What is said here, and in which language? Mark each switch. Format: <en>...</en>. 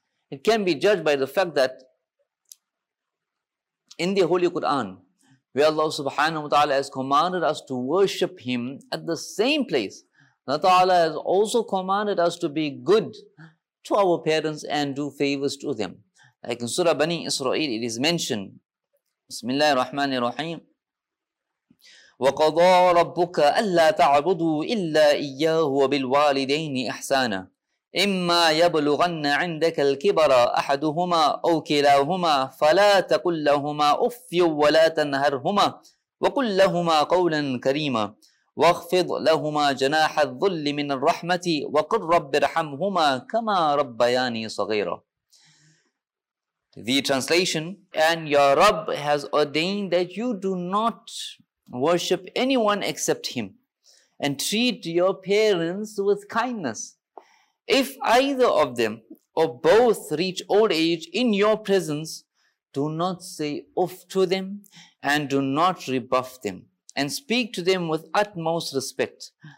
<en>It can be judged by the fact that in the Holy Quran, where Allah subhanahu wa ta'ala has commanded us to worship Him at the same place, Allah ta'ala has also commanded us to be good to our parents and do favors to them.</en> <ar>Like in Surah Bani Israel, it is mentioned, Bismillahir Rahmanir Rahim, وَقَضَى رَبُّكَ أَلَّا تَعْبُدُوا إِلَّا إِيَّاهُ وَبِالْوَالِدَيْنِ إِحْسَانًا إِمَّا يَبْلُغَنَّ عِنْدَكَ الْكِبَرَ أَحَدُهُمَا أَوْ كِلَاهُمَا فَلَا تَقُلْ لَهُمَا أُفٍّ وَلَا تَنْهَرْهُمَا وَقُلْ لَهُمَا قَوْلًا كَرِيمًا وَاخْفِضْ لَهُمَا جَنَاحَ الذُّلِّ مِنَ الرَّحْمَةِ وَقُلْ رَبِّ ارْحَمْهُمَا كَمَا رَبَّيَانِي صَغِيرًا.</ar> <en>The translation: and your Rabb has ordained that you do not worship anyone except Him, and treat your parents with kindness. If either of them or both reach old age in your presence, do not say oof to them and do not rebuff them, and speak to them with utmost respect.</en>